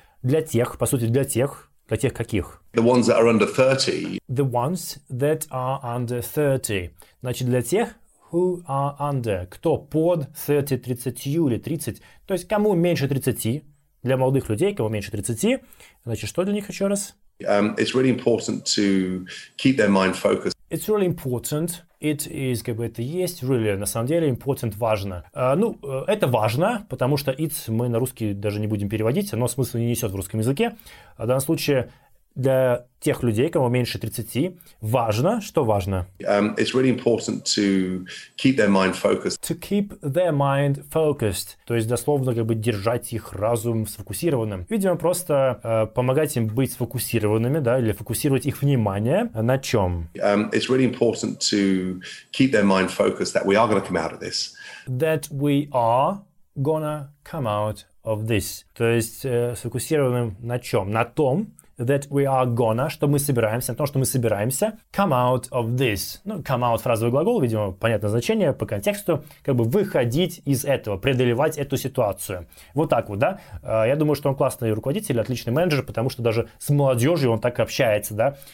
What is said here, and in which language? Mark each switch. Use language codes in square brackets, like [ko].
[ru] Для тех, по сути, для тех каких? [en] The ones that are under 30. The ones that are under 30. [ru] Значит, для тех, [en] who are under. [ru] Кто под 30, 30 или 30. То есть, кому меньше 30. Для молодых людей, кому меньше 30. Значит, что для них еще раз? [en] It's really important to keep their mind focused. It's really important. It is, [ru] как бы, это есть, [en] really, [ru] на самом деле, [en] important, [ru] важно. Ну, это важно, потому что it мы на русский даже не будем переводить, оно смысла не несет в русском языке. В данном случае для тех людей, кому меньше 30, важно, что важно? [en] It's really important to keep their mind focused. To keep their mind focused. [ru] То есть, дословно, как бы, держать их разум сфокусированным. Видимо, просто помогать им быть сфокусированными, да, или фокусировать их внимание на чем? [en] It's really important to keep their mind focused that we are going to come out of this. That we are gonna come out of this. [ru] То есть, сфокусированным на чем? На том, [en] that we are gonna, [ru] что мы собираемся, на том, что мы собираемся, [en] come out of this. [ru] Ну, come out — фразовый глагол, видимо, понятное значение по контексту, как бы выходить из этого, преодолевать эту ситуацию. Вот так вот, да? Я думаю, что он классный руководитель, отличный менеджер, потому что даже с молодежью он так общается, да?